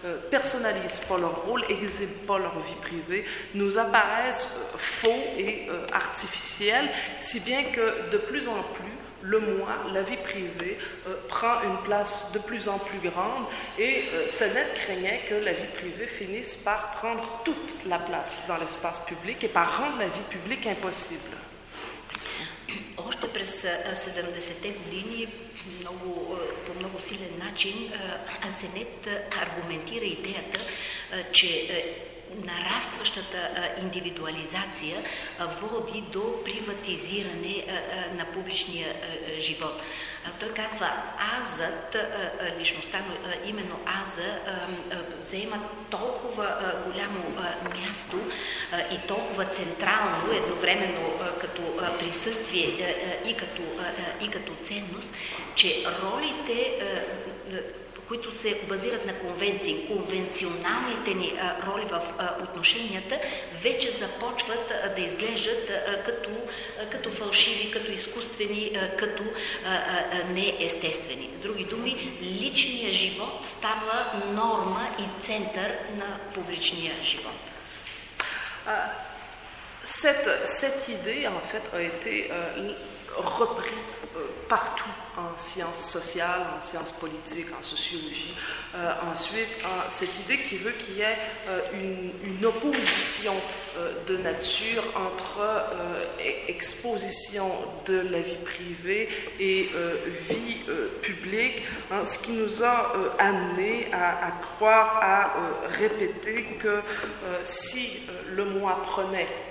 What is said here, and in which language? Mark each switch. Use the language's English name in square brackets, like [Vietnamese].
[French] personnalisent pas leur rôle, n'exhibent pas leur vie privée, nous apparaissent faux et artificiels, si bien que de plus en plus le moi, la vie privée, prend une place de plus en plus grande et Sénat craignait que la vie privée finisse par prendre toute la place dans l'espace public et par rendre la vie publique impossible. [Bulgarian] Още през 70-те години по много силен начин Сенет аргументира идеята, че нарастващата индивидуализация води до приватизиране на публичния живот. Той казва, азът, личността, но именно аза, взема толкова голямо място и толкова централно, едновременно като присъствие и като ценност, че ролите, които се базират на конвенции, конвенционалните ни роли в отношенията, вече започват да изглеждат като фалшиви, като изкуствени, като неестествени. С други думи, личният живот става норма и център на публичния живот. [French] Cette idée, en fait, a été repris partout en sciences sociales, en sciences politiques, en sociologie. Ensuite, cette idée qui veut qu'il y ait une opposition de nature entre exposition de la vie privée et vie publique, hein, ce qui nous a amené à croire, à répéter que si le moi prenait